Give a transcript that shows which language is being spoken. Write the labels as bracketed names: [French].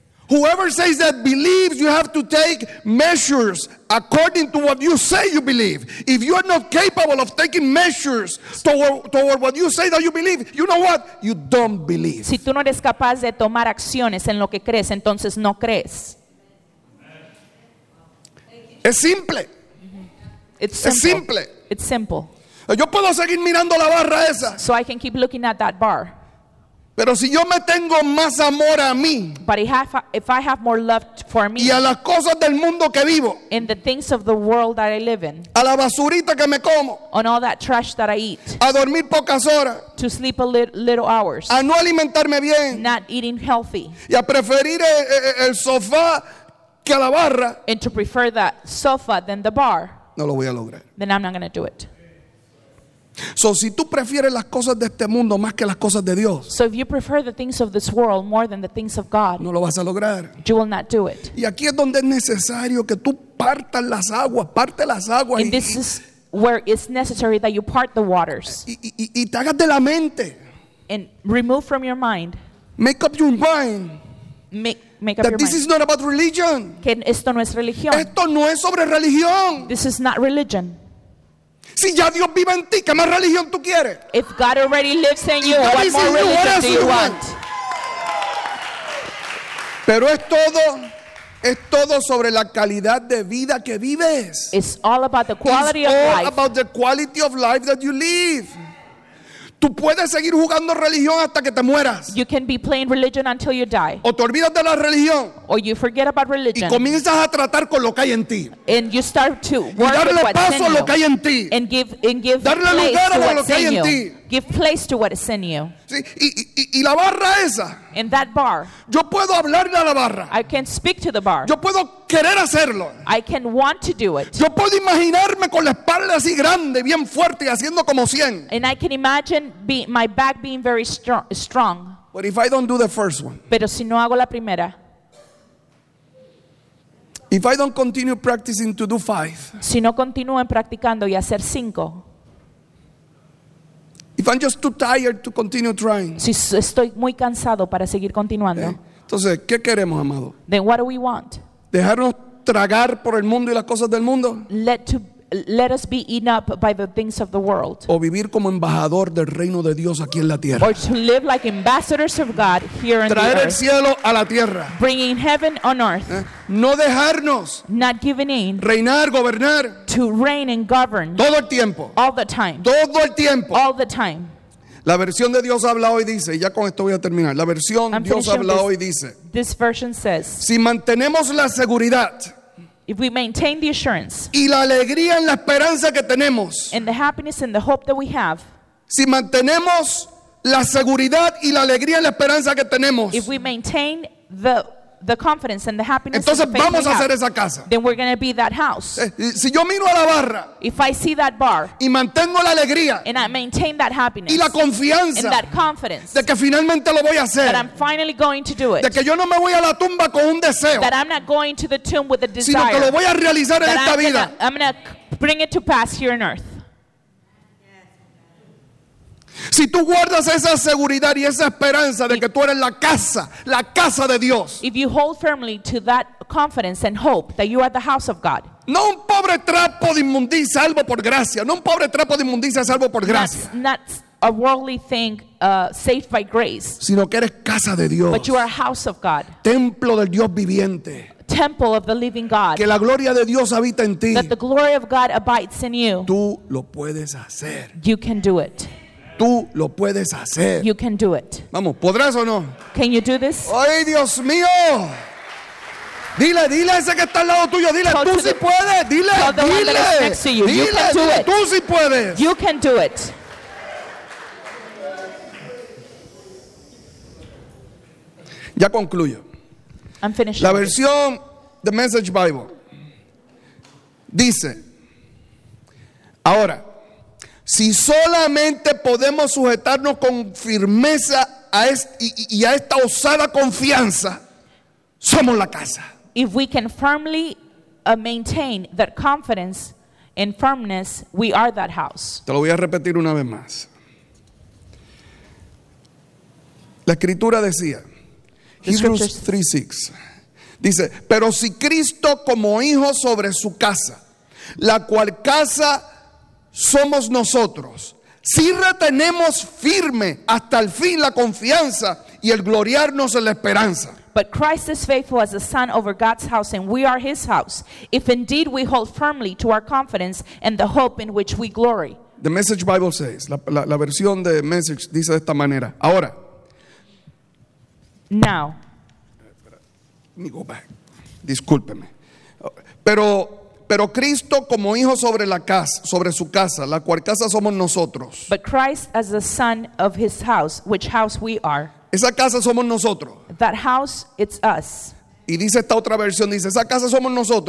[English] Whoever says that believes, you have to take measures according to what you say you believe. If you are not capable of taking measures toward what you say that you believe, you know what? You don't believe. [Spanish] Si tú no eres capaz de tomar acciones en lo que crees, entonces no crees. Es simple. [English] It's simple. [Spanish] Es simple. [English] It's simple. [Spanish] Yo puedo seguir mirando la barra esa. [English] So I can keep looking at that bar. [Spanish] Pero si yo me tengo más amor a mí, [English] but if I have more love for me, [Spanish] y a las cosas del mundo que vivo, [English] in the things of the world that I live in, [Spanish] a la basurita que me como, [English] on all that trash that I eat, [Spanish] a dormir pocas horas, [English] to sleep a little hours, [Spanish] a no alimentarme bien, [English] not eating healthy, [Spanish] y a preferir el sofá que a la barra, [English] and to prefer that sofa than the bar, [Spanish] no lo voy a lograr. [English] Then I'm not going to do it. So [Spanish] si tú prefieres las cosas de este mundo más que las cosas de Dios, [English] so if you prefer the things of this world more than the things of God, [Spanish] no lo vas a lograr. [English] You will not do it. [Spanish] Y aquí es donde es necesario que tú partas las aguas, parte las aguas. [English] And this is where it's necessary that you part the waters. [Spanish] Y te hagas de la mente. [English] And remove from your mind. Make up your mind. Make up that your this mind. Is not about religion. [Spanish] Que esto no es religión. Esto no es sobre religión. [English] This is not religion. [Spanish] Si ya Dios vive en ti, ¿qué más religión tú quieres? [English] If God already lives in you, what more religion do you want? [Spanish] Pero es todo sobre la calidad de vida que vives. [English] It's all about the quality of life. It's all about the quality of life that you live. [Spanish] Tú puedes seguir jugando religión hasta que te mueras. [English] You can be playing religion until you die. [Spanish] O te olvidas de la religión. [English] Or you forget about religion. [Spanish] Y comienzas a tratar con lo que hay en ti. [English] And you start to work with what's in you. [Spanish] Darle paso a lo que hay en ti. [English] And give [Spanish] darle [English] place [Spanish] lugar [English] to [Spanish] a lo que hay en ti. [English] Give place to what is in you. [Spanish] Sí, y la barra esa. [English] In that bar. [Spanish] Yo puedo hablarle a la barra. [English] I can speak to the bar. [Spanish] Yo puedo querer hacerlo. [English] I can want to do it. [Spanish] Yo puedo imaginarme con la espalda así grande, bien fuerte, haciendo como 100. [English] And I can imagine my back being very strong. But if I don't do the first one. [Spanish] Pero si no hago la primera. [English] If I don't continue practicing to do 5. [Spanish] Si no continúo practicando y hacer 5. [English] If I'm just too tired to continue trying. [Spanish] Si estoy muy cansado para seguir continuando. Entonces, ¿qué queremos, amado? [English] Then what do we want? [Spanish] Dejarnos tragar por el mundo y las cosas del mundo. [English] Let us be eaten up by the things of the world. [Spanish] O vivir como embajador del reino de Dios aquí en la tierra. [English] Or to live like ambassadors of God here on the earth. [Spanish] Traer el cielo a la tierra. [English] Bringing heaven on earth. [Spanish] No dejarnos. [English] Not giving in. [Spanish] Reinar, gobernar. [English] To reign and govern. [Spanish] Todo el tiempo. [English] All the time. [Spanish] Todo el tiempo. [English] All the time. [Spanish] La versión de Dios habla hoy dice, y ya con esto voy a terminar. La versión de Dios habla hoy dice. [English] This version says. [Spanish] Si mantenemos la seguridad. [English] If we maintain the assurance. [Spanish] Y la alegría en la esperanza que tenemos. [English] And the happiness and the hope that we have. [Spanish] Si mantenemos la seguridad y la alegría en la esperanza que tenemos. [English] If we maintain the confidence and the happiness. [Spanish] Entonces [English] the [Spanish] vamos [English] we [Spanish] a [English] have, [Spanish] hacer esa casa. [English] Then we're going to be that house. [Spanish] Si yo miro a la barra. [English] If I see that bar. [Spanish] Y mantengo la alegría. [English] And I maintain that happiness. [Spanish] Y la confianza. [English] And that confidence. [Spanish] De que finalmente lo voy a hacer. [English] That I'm finally going to do it. [Spanish] De que yo no me voy a la tumba con un deseo. [English] That I'm not going to the tomb with a desire. [Spanish] Sino que lo voy a realizar en esta vida. [English] I'm going to bring it to pass here on earth. [Spanish] Si tú guardas esa seguridad y esa esperanza de que tú eres la casa de Dios. [English] If you hold firmly to that confidence and hope that you are the house of God. [Spanish] No un pobre trapo de inmundicia salvo por gracia. No un pobre trapo de inmundicia salvo por gracia. [English] That's a worldly thing saved by grace. [Spanish] Sino que eres casa de Dios. [English] But you are a house of God. [Spanish] Templo del Dios viviente. [English] Temple of the living God. [Spanish] Que la gloria de Dios habita en ti. [English] That the glory of God abides in you. [Spanish] Tú lo puedes hacer. [English] You can do it. [Spanish] Tú lo puedes hacer. [English] You can do it. [Spanish] Vamos, ¿podrás o no? [English] Can you do this? [Spanish] ¡Ay, Dios mío! Dile a ese que está al lado tuyo, dile, [English] tell [Spanish] tú sí puedes, dile. Dile, tú sí puedes. [English] You can do it. [Spanish] Ya concluyo. [English] I'm finishing. [Spanish] La versión de Message Bible dice, ahora, si solamente podemos sujetarnos con firmeza y a esta osada confianza, somos la casa. [English] If we can firmly maintain that confidence and firmness, we are that house. [Spanish] Te lo voy a repetir una vez más. La escritura decía, Hebrews 3:6, dice, pero si Cristo como hijo sobre su casa, la cual casa somos nosotros. Si retenemos firme hasta el fin la confianza y el gloriarnos en la esperanza. [English] But Christ is faithful as the Son over God's house, and we are His house. If indeed we hold firmly to our confidence and the hope in which we glory. The Message Bible says, [Spanish] la versión de Message dice de esta manera. Ahora, [English] Now. Let me go back. [Spanish] Discúlpeme. Pero Cristo como hijo sobre la casa, sobre su casa, la cual casa somos nosotros. [English] But Christ as the son of his house, which house we are. [Spanish] Esa casa somos nosotros. [English] That house, it's us. [Spanish] Y dice esta otra versión, dice, esa casa somos nosotros.